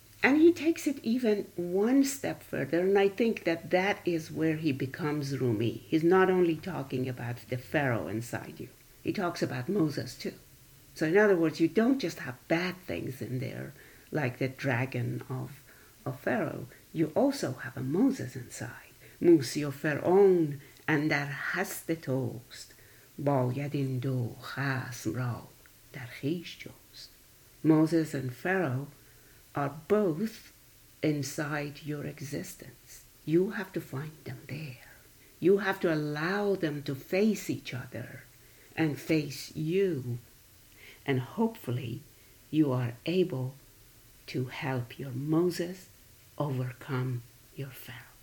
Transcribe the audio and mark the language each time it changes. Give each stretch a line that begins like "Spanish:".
English: And he takes it even one step further, and I think that that is where he becomes Rumi. He's not only talking about the Pharaoh inside you. He talks about Moses too. So in other words, you don't just have bad things in there, like the dragon of Pharaoh. You also have a Moses inside.
Persian: موسی و فرعون اندر هست توست باید این دو خصم را در خیش جوست.
English: Moses and Pharaoh are both inside your existence. You have to find them there. You have to allow them to face each other and face you. And hopefully you are able to help your Moses overcome your Pharaoh.